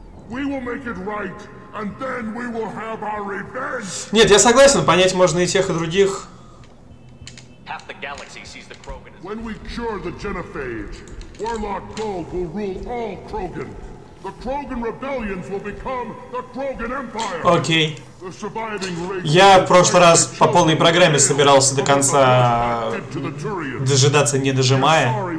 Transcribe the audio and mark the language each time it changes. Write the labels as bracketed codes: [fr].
[en] We will make it right, and then we will have our revenge. [ru] Нет, я согласен, понять можно и тех, и других. [en] Half the galaxy sees the Krogan as... When we cure the Genophage, Warlock Gold will rule all Krogan. The Krogan rebellions will become the Krogan Empire. [ru] Окей. Я в прошлый раз по полной программе собирался до конца дожидаться, не дожимая.